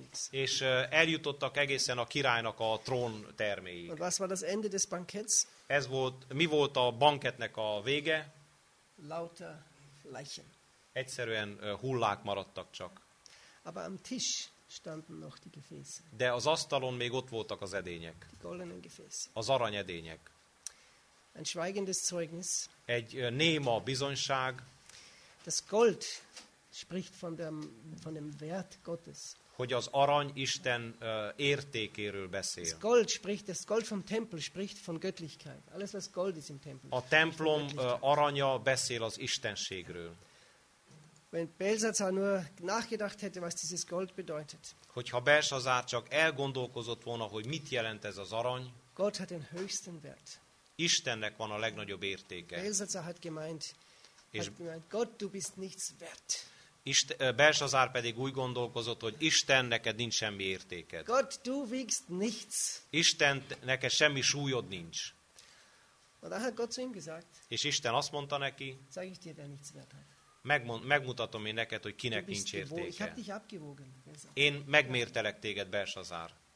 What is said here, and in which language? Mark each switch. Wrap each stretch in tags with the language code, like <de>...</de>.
<hu>És eljutottak egészen a királynak a trón terméig.</hu> <de>Und was war das Ende des Banketts?</de> <hu>Ez volt, mi volt a banketnek a vége?</hu> <de>Lauter Leichen.</de> <hu>Egyszerűen hullák maradtak csak.</hu> <de>Aber am Tisch standen noch die Gefäße.</de> <hu>De az asztalon még ott voltak az edények.</hu> <de>Die goldenen Gefäße.</de> <hu>Az arany edények.</hu> <de>Ein schweigendes Zeugnis.</de> <hu>Egy néma bizonyság.</hu> <de>Das Gold spricht von dem Wert Gottes.</de> <hu>Hogy az arany Isten értékéről beszél.</hu> <de>Das Gold vom Tempel spricht von Göttlichkeit. Alles was Gold ist im Tempel.</de> <hu>A templom aranya beszél az Istenségről.</hu> <de>Wenn Belsazar nur nachgedacht hätte, was dieses Gold bedeutet.</de> <hu>Hogyha Belsazar csak elgondolkozott volna, hogy mit jelent ez az arany.</hu> <de>Gott hat den höchsten Wert.</de> <hu>Istennek van a legnagyobb értéke.</hu> <de>Belsazar hat gemeint, Gott, du bist nichts wert.</de> <hu>Belsazar pedig úgy gondolkozott, hogy Isten, neked nincs semmi értéked.</hu> <de>Gott, du wiegst nichts.</de> <hu>Isten, neked semmi súlyod nincs.</hu> <de>Und dann hat Gott zu ihm gesagt,</de> <hu>és Isten azt mondta neki,</hu> <de>zeig ich dir, der nichts wert hat.</de> <hu>Megmutatom én neked, hogy kinek nincs értéke. Én megmértelek téged, Belsazár.</hu>